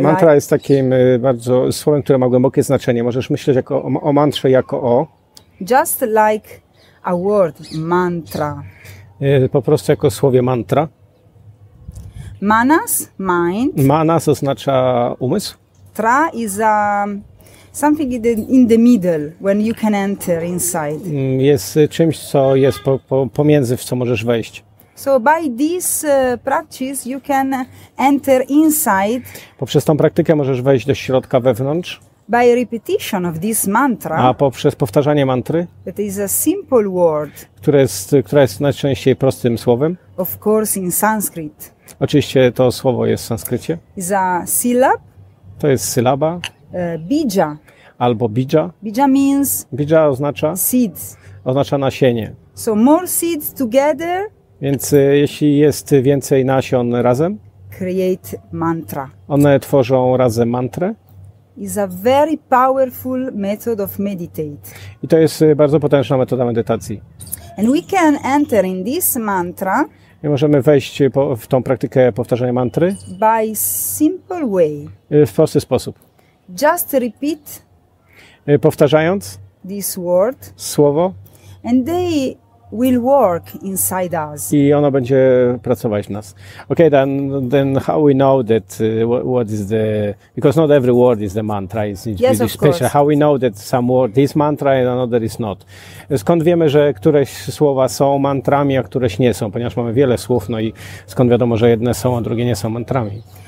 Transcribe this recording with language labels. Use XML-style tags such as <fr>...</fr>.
<pl>Mantra jest takim bardzo słowem, które ma głębokie znaczenie. Możesz myśleć jako o mantrze jako o.</pl> <en>Just like a word, mantra.</en> <pl>Po prostu jako słowie mantra.</pl> <en>Manas, mind.</en> <pl>Manas oznacza umysł.</pl> <en>Tra is a something in the middle, when you can enter inside.</en> <pl>Jest czymś, co jest pomiędzy, w co możesz wejść.</pl> <en>So by this practice you can enter inside.</en> <pl>Poprzez tą praktykę możesz wejść do środka wewnątrz.</pl> <en>By repetition of this mantra.</en> <pl>A poprzez powtarzanie mantry.</pl> <en>It is a simple word.</en> <pl>Która jest najczęściej prostym słowem.</pl> <en>Of course in Sanskrit.</en> <pl>Oczywiście to słowo jest w sanskrycie.</pl> <en>Is a syllab.</en> <pl>To jest sylaba.</pl> <en>Bija.</en> <pl>Albo bija.</pl> <en>Bija means.</en> <pl>Bija oznacza.</pl> <en>Seeds.</en> <pl>Oznacza nasienie.</pl> <en>So more seeds together.</en> <pl>Więc jeśli jest więcej nasion razem.</pl> <en>Create mantra.</en> <pl>One tworzą razem mantrę.</pl> <en>Is a very powerful method of meditate.</en> <pl>I to jest bardzo potężna metoda medytacji.</pl> <en>And we can enter in this mantra.</en> <pl>I możemy wejść w tą praktykę powtarzania mantry.</pl> <en>By simple way.</en> <pl>W prosty sposób.</pl> <en>Just repeat.</en> <pl>Powtarzając.</pl> <en>This word.</en> <pl>Słowo.</pl> <en>And they will work inside us.</en> <pl>I ono będzie pracować w nas.</pl> <en>Okay, then how we know that what is the, because not every word is the mantra, is it yes, really special? How we know that some word is mantra and another is not?</en> <pl>Skąd wiemy, że któreś słowa są mantrami, a któreś nie są? Ponieważ mamy wiele słów, no i skąd wiadomo, że jedne są, a drugie nie są mantrami?</pl>